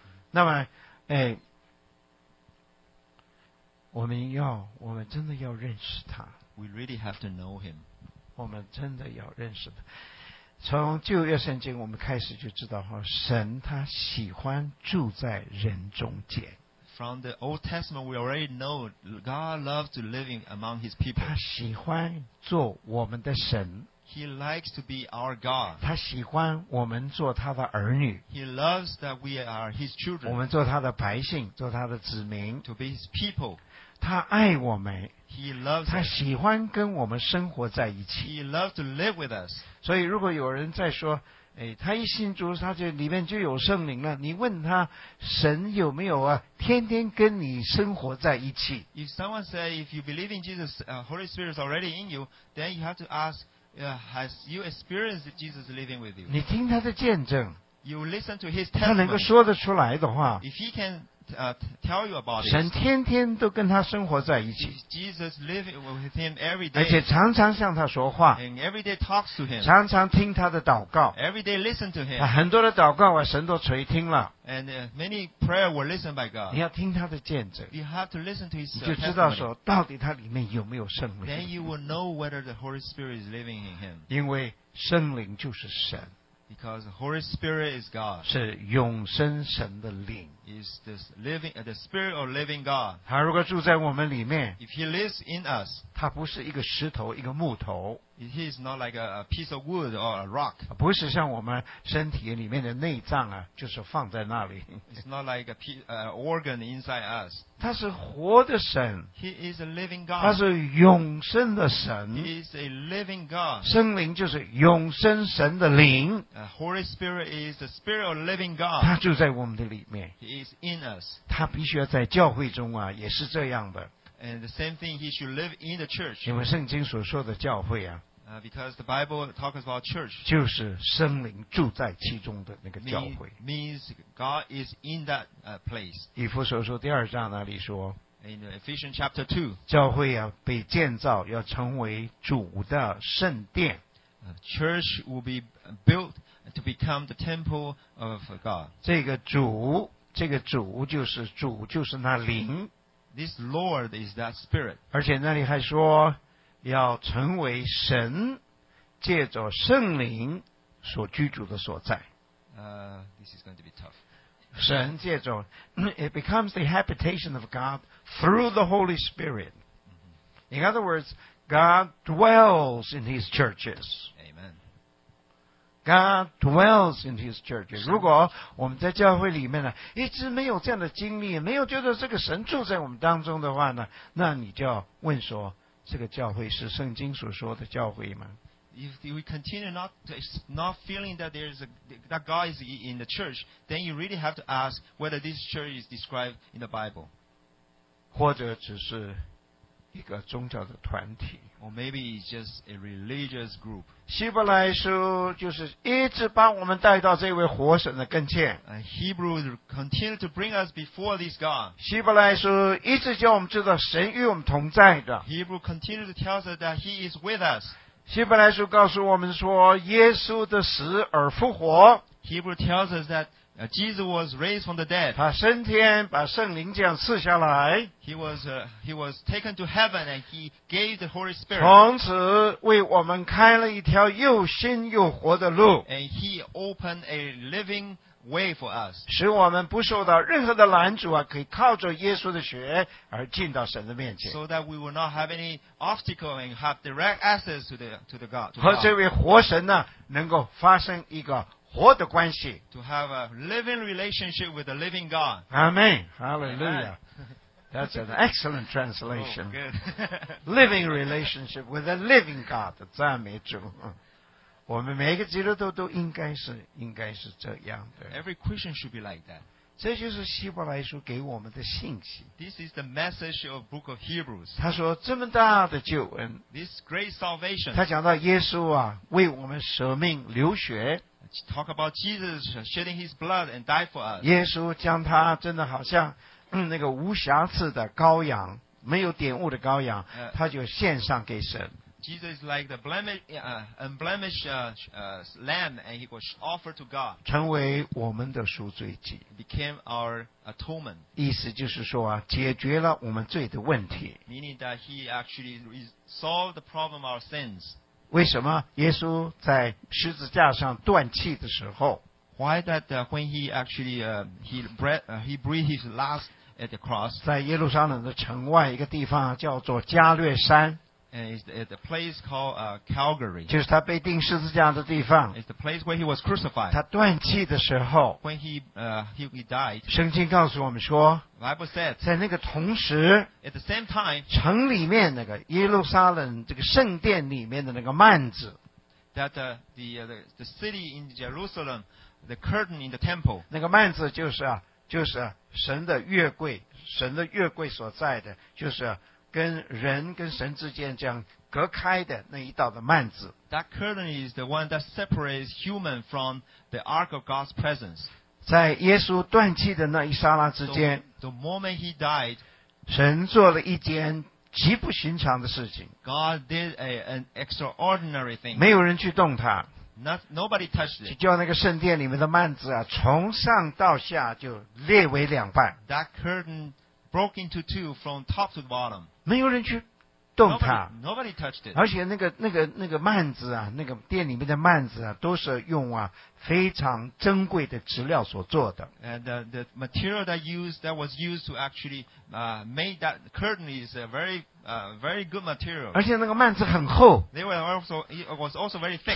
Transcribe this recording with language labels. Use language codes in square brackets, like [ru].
[zh] 那么我们真的要认识他。 [en] We really have to know him. [zh] 我们真的要认识他。从旧约圣经我们开始就知道神他喜欢住在人中间。 [en] From the Old Testament, we already know God loves to live among His people. [zh] 他喜欢做我们的神。 [en] He likes to be our God. [zh] 他喜欢我们做他的儿女。 [en] He loves that we are His children. [zh] 我们做他的百姓, 做他的子民。 [en] To be His people. [zh] 他爱我们。 [en] He loves us. [zh] 他喜欢跟我们生活在一起。 [en] He loves to live with us. [zh] 所以如果有人在说, 他一信主, 他就里面就有圣灵了, 你问他, 神有没有啊, 天天跟你生活在一起。 [en] If someone says, if you believe in Jesus, Holy Spirit is already in you, then you have to ask, has you experienced Jesus living with you? [zh] 你听他的见证, [en] you listen to His testimony. [zh] 他能够说得出来的话, [en] if He can tell you about it, [zh] 神天天都跟他生活在一起, [en] Jesus living with him every day, [zh] 而且常常向他说话, [en] and every day talks to him, [zh] 常常听他的祷告, [en] every day listen to him, [zh] 很多的祷告啊, 神都垂听了, [en] and many prayers were listened by God. [zh] 你要听他的见证, [en] you have to listen to his testimony, [zh] 你就知道说到底他里面有没有圣灵, [en] then you will know whether the Holy Spirit is living in him. [zh] 因为圣灵就是神。 [en] Because the Holy Spirit is God. [zh] 是永生神的灵。 [en] Is the Spirit of living God. [zh] 他如果住在我们里面, [en] if He lives in us, [zh] 他不是一个石头, 一个木头, [en] He is not like a piece of wood or a rock. [zh] 不是像我们身体里面的内脏啊, 就是放在那里。 [en] It's not like an organ inside us. [zh] 他是活的神。 [en] He is a living God. [zh] 他是永生的神。 [en] He is a living God. [zh] 圣灵就是永生神的灵。 [en] Holy Spirit is the Spirit of living God. [zh] 他住在我们的里面。 [en] He is in us. [zh] 他必须要在教会中啊, 也是这样的。 [en] And the same thing, he should live in the church. [zh] 因为圣经所说的教会啊, [en] because the Bible talks about church. [zh] 就是圣灵住在其中的那个教会。 [en] Means God is in that place. [zh] 以弗所说第二章那里说, [en] in Ephesians chapter 2, [zh] 教会啊, 被建造, 要成为主的圣殿。 [en] Church will be built to become the temple of God. [zh] 这个主, 这个主就是主, 就是那灵。 [en] This Lord is that Spirit. [zh] 而且那里还说, 要成为神借着圣灵所居住的所在。 [en] This is going to be tough. [zh] 神借着, [en] it becomes the habitation of God through the Holy Spirit. In other words, God dwells in His churches. God dwells in His churches. [zh] 如果我们在教会里面呢, 一直没有这样的经历, 没有觉得这个神住在我们当中的话呢, 那你就要问说, 这个教会是圣经所说的教会吗? [en] If we continue not feeling that there is that God is in the church, then you really have to ask whether this church is described in the Bible. [zh] 或者只是一个宗教的团体。 [en] Or maybe it's just a religious group. [zh] 希伯来书就是一直把我们带到这位活神的跟前。 [en] Hebrews continue to bring us before this God. [zh] 希伯来书一直叫我们知道神与我们同在的。 [en] Hebrews continue to tell us that He is with us. [zh] 希伯来书告诉我们说，耶稣的死而复活。 [en] Hebrews tells us that Jesus was raised from the dead. [zh] 他升天，把圣灵这样赐下来。 [en] He was taken to heaven and he gave the Holy Spirit. [zh] 从此为我们开了一条又新又活的路。 [en] And he opened a living way for us. [zh] 使我们不受到任何的拦阻啊，可以靠着耶稣的血而进到神的面前。 [en] So that we will not have any obstacle and have direct access to the God. [zh] 和这位活神呢，能够发生一个活的关系。 [en] To have a living relationship with the living God. Amen. Hallelujah. That's an excellent translation. Oh, good. Living relationship with the living God. [zh] 赞美主。我们每个基督徒都应该是这样的。 [en] Every Christian should be like that. [zh] 这就是希伯来书给我们的信息。 [en] This is the message of Book of Hebrews. [zh] 他说这么大的救恩。 [en] This great salvation. [zh] 他讲到耶稣啊，为我们舍命流血。 [en] Talk about Jesus shedding his blood and died for us. [zh] 耶稣将他真的好像那个无瑕疵的羔羊，没有玷污的羔羊，他就献上给神。 [en] Jesus is like the unblemished lamb, and he was offered to God. [zh] 成为我们的赎罪祭。 [en] Became our atonement. [zh] 意思就是说啊，解决了我们罪的问题。 [en] Meaning that he actually solved the problem of our sins. [zh] 为什么耶稣在十字架上断气的时候 [en] ？Why that when he actually he breathed his last at the cross? [zh] 在耶路撒冷的城外一个地方叫做加略山。 [en] And it's at the place called Calgary. [zh] 就是他被钉十字架的地方。 [en] It's the place where he was crucified. [zh] 他断气的时候。 [en] When he died. [zh] 圣经告诉我们说。 [en] Bible said. [zh] 在那个同时。 [en] At the same time. [zh] 城里面那个耶路撒冷这个圣殿里面的那个幔子。 [en] That the city in Jerusalem, the curtain in the temple. [zh] 那个幔子就是神的月柜，神的月柜所在的就是。跟人跟神之间这样隔开的那一道的幔子。 [en] That curtain is the one that separates human from the ark of God's presence. [zh] 在耶稣断气的那一刹那之间 [en] the moment he died, [zh] 神做了一件极不寻常的事情。 [en] God did an extraordinary thing. [zh] 没有人去动他。 [en] Nobody touched it. [zh] 就叫那个圣殿里面的幔子啊，从上到下就裂为两半。 [en] That curtain broke into two from top to bottom. [zh] 没有人去动它。 [en] Nobody touched it. [zh] 而且那个幔子啊，那个殿里面的幔子啊，都是用啊非常珍贵的质料所做的。 [en] And the material that was used to actually make that curtain is a very good material. [zh] 而且那个幔子很厚。 [en] They were also it was also very thick.